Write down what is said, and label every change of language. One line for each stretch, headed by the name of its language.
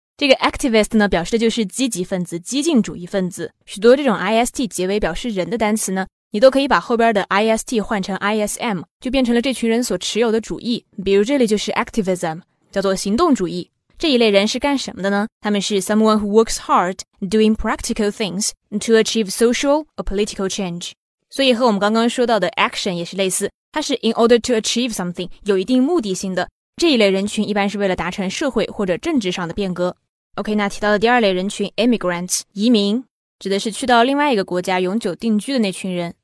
Chinese: 这个 Activist 呢，表示的就是积极分子、激进主义分子。许多这种 IST 结尾表示人的单词呢，你都可以把后边的 IST 换成 ISM， 就变成了这群人所持有的主义。比如这里就是 Activism， 叫做行动主义。这一类人是干什么的呢？他们是
English: someone who works hard doing practical things to achieve social or political change。
Chinese: 所以和我们刚刚说到的 action 也是类似，它是
English: in order to achieve something，
Chinese: 有一定目的性的。这一类人群一般是为了达成社会或者政治上的变革。 OK， 那提到的第二类人群 immigrants 移民，指的是去到另外一个国家永久定居的那群人。